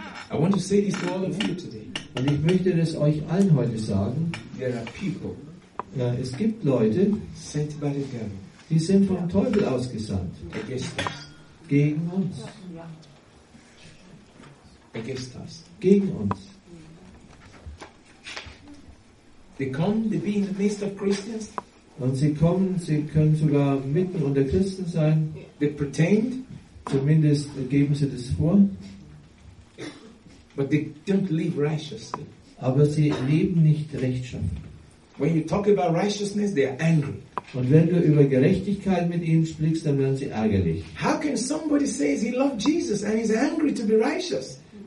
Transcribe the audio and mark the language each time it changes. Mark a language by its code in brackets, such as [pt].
[en] I want to say this to all of you today. [de] Und ich möchte das euch allen heute sagen. [en] There are people. [de] Ja, es gibt Leute, [en] sent by the devil. [de] Die sind vom Teufel ausgesandt. [en] Against us. [de] Gegen uns. [en] Against us. [de] Gegen uns. [en] They come, they be in the midst of Christians. [de] Und sie kommen, sie können sogar mitten unter Christen sein. [en] They pretend. [de] Zumindest geben sie das vor. [en] But they don't live righteously. [de] Aber sie leben nicht rechtschaffen. [en] When you talk about righteousness, they are angry. [de] Und wenn du über Gerechtigkeit mit ihnen sprichst, dann werden sie ärgerlich. [en] How can somebody say he loves Jesus and he's angry to be righteous?